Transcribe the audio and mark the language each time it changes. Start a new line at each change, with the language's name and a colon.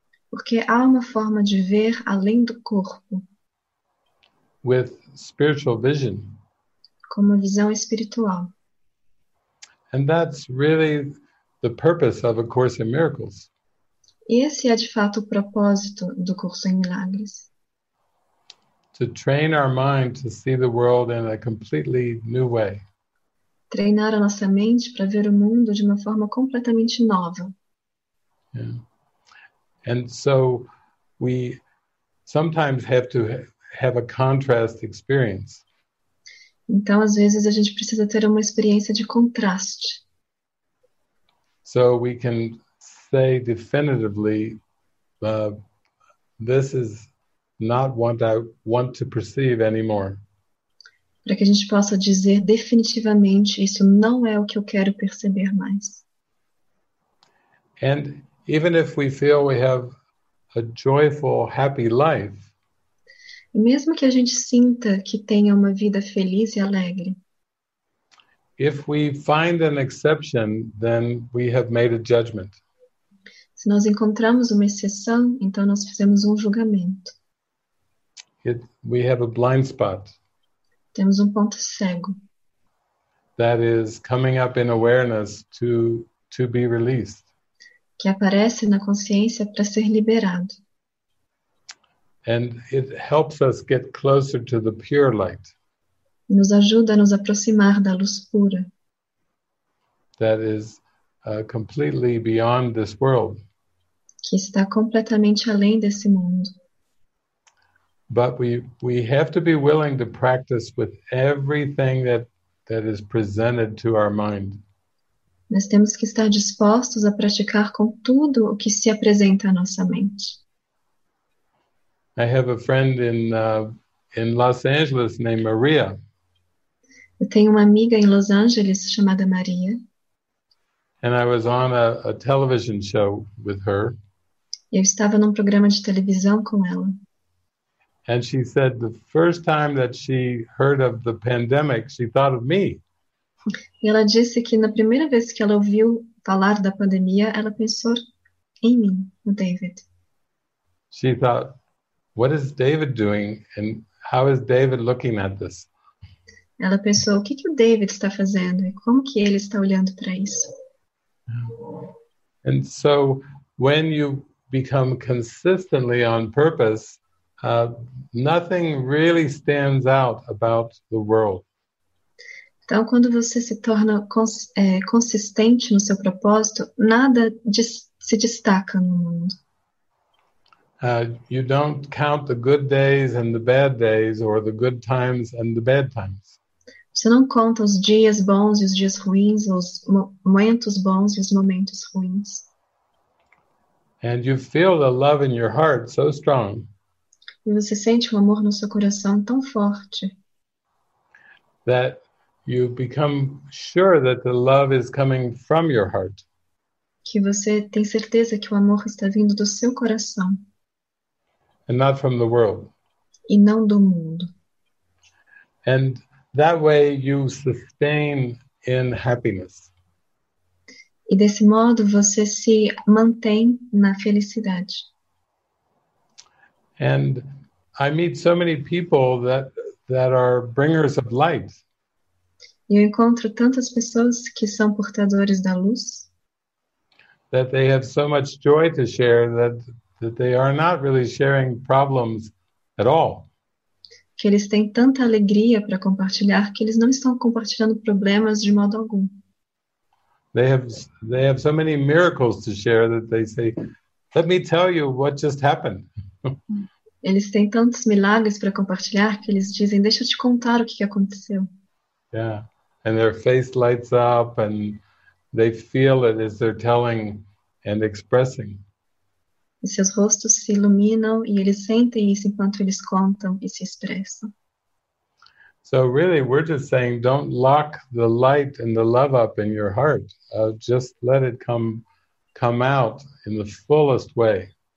Portuguese: Porque há uma forma de ver além do corpo.
English: With spiritual vision.
Portuguese: Com uma visão espiritual.
English: And that's really the purpose of A Course in Miracles.
Portuguese: Esse é de fato o propósito do Curso em Milagres.
English: To train our mind to see the world in a completely new way.
Portuguese: Treinar a nossa mente para ver o mundo de uma forma completamente nova.
English: Yeah. And so we sometimes have to have a contrast experience.
Portuguese: Então, às vezes, a gente precisa ter uma experiência de contraste.
English: So we can say definitively, this is not what I want to perceive anymore.
Portuguese: Para que a gente possa dizer definitivamente, isso não é o que eu quero perceber mais.
English: And even if we feel we have a joyful, happy life,
Portuguese: mesmo que a gente sinta que tenha uma vida feliz e alegre,
English: if we find an exception, then we have made a judgment.
Portuguese: Se nós encontramos uma exceção, então nós fizemos um julgamento.
English: We have a blind spot.
Portuguese: Temos um ponto cego.
English: That is coming up in awareness to be released.
Portuguese: Que aparece na consciência para ser liberado.
English: And it helps us get closer to the pure light.
Portuguese: Nos ajuda a nos aproximar da luz pura.
English: That is completely beyond this world.
Portuguese: Que está completamente além desse mundo.
English: But we have to be willing to practice with everything that is presented to our mind.
Portuguese: Nós temos que estar dispostos a praticar com tudo o que se apresenta à nossa mente.
English: I have a friend in Los Angeles named Maria.
Portuguese: Eu tenho uma amiga em Los Angeles chamada Maria.
English: And I was on a television show with her.
Portuguese: Eu estava num programa de televisão com ela.
English: And she said the first time that she heard of the pandemic, she thought of me.
Portuguese: E ela disse que na primeira vez que ela ouviu falar da pandemia, ela pensou em mim, no David.
English: She thought, what is David doing and how is David looking at this?
Portuguese: Ela pensou, o que que o David está fazendo e como que ele está olhando para isso?
English: And so when you become consistently on purpose, nothing really stands out about the world.
Portuguese: Então, quando você se torna consistente no seu propósito, nada se destaca no mundo.
English: You don't count the good days and the bad days, or the good times and the bad times.
Portuguese: Você não conta os dias bons e os dias ruins, os momentos bons e os momentos ruins.
English: And you feel the love in your heart so strong.
Portuguese: E você sente um amor no seu coração tão forte.
English: That you become sure that the love is coming from your heart.
Portuguese: Que você tem certeza que o amor está vindo do seu coração.
English: And not from the world.
Portuguese: E não do mundo.
English: And that way you sustain in happiness.
Portuguese: E desse modo você se mantém na felicidade.
English: And I meet so many people that are bringers of light.
Portuguese: Eu encontro tantas pessoas que são portadores da luz.
English: That they have so much joy to share that they are not really sharing problems at all.
Portuguese: Que eles têm tanta alegria para compartilhar que eles não estão compartilhando problemas de modo algum.
English: They have so many miracles to share that they say, "Let me tell you what just happened."
Portuguese: Eles têm tantos milagres para compartilhar que eles dizem, deixa eu te contar o que aconteceu.
English: Yeah, and their face lights up and they feel it as they're telling and expressing.
Portuguese: E seus rostos se iluminam e eles sentem isso enquanto eles contam e se expressam.
English: So really, we're just saying, don't lock the light and the love up in your heart. Just let it come out in the fullest way.